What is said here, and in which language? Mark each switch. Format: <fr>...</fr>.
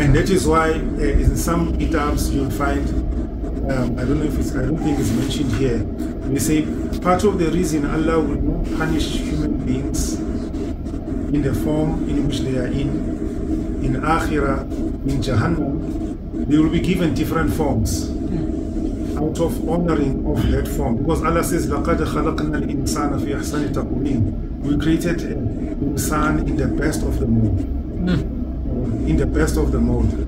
<en>And that is why in some kitabs you'll find, I don't think it's mentioned here, we say part of the reason Allah will not punish human beings in the form in which they are in Akhirah, in Jahannam, they will be given different forms. out of honoring of that form. Because Allah says,</en> <ar>لَقَدْ خَلَقْنَا الْإِنسَانَ فِي أَحْسَنِ تَقْوِيمٍ.</ar> <en>We created an insan in the best of the mold. In the best of the mold.</en>